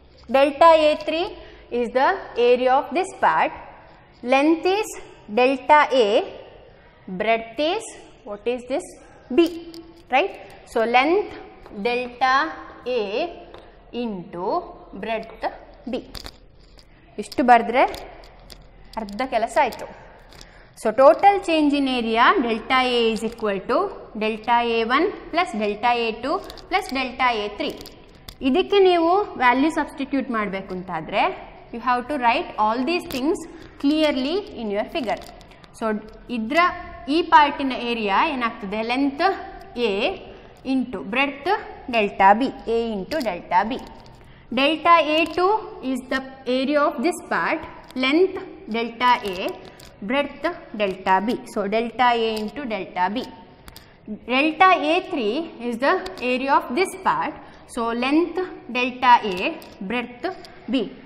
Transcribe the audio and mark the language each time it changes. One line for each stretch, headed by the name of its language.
English: Delta A3 is the area of this part. Length is delta A, breadth is, what is this, B, right? So length delta A into breadth B.
Kannada: ಇಷ್ಟು ಬರೆದ್ರೆ ಅರ್ಧ ಕೆಲಸ ಆಯಿತು.
English: So total change in area delta A is equal to delta A one plus delta A two plus delta A three.
Kannada: ಇದಕ್ಕೆ ನೀವು value substitute ಮಾಡಬೇಕು ಅಂತಾದರೆ
English: You have to write all these things clearly in your figure. So
Kannada: ಇದರ ಈ ಪಾರ್ಟಿನ area ಏನಾಗ್ತದೆ,
English: Length A into breadth delta B, A into delta B. Delta A2 is the area of this part, length delta A, breadth delta B. So delta A into delta B. Delta A3 is the area of this part, so length delta A, breadth B.